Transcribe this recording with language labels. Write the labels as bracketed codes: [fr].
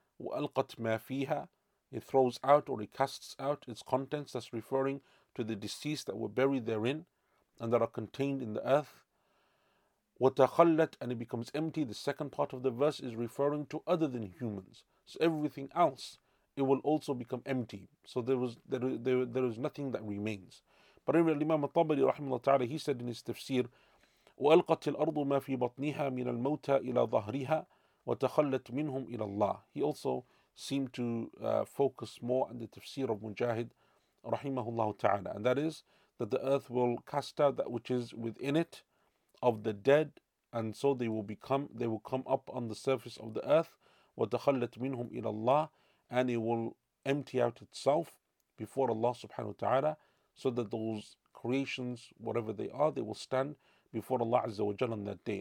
[ar] وَأَلْقَتْ مَا فِيهَا, [en] it throws out or it casts out its contents, that's referring to the deceased that were buried therein and that are contained in the earth. وَتَخَلَّتْ, and it becomes empty, the second part of the verse is referring to other than humans. So everything else, it will also become empty. So there is nothing that remains. But anyway, Imam al-Tabari rahimahullah ta'ala, he said in his tafsir, [ar] وَأَلْقَتِ الْأَرْضُ مَا فِي بَطْنِهَا مِنَ الْمَوْتَى إِلَى ظَهْرِهَا وَتَخَلَّتْ مِنْهُمْ إِلَى اللَّهِ. [en] He also seemed to focus more on the tafsir of Mujahid rahimahullah ta'ala, and that is that the earth will cast out that which is within it of the dead, and so they will come up on the surface of the earth. [ar] وَتَخَلَّتْ مِنْهُمْ إِلَى اللَّهِ, [en] and it will empty out itself before Allah subhanahu wa ta'ala, so that those creations, whatever they are, they will stand before Allah Azza wa Jalla on that day.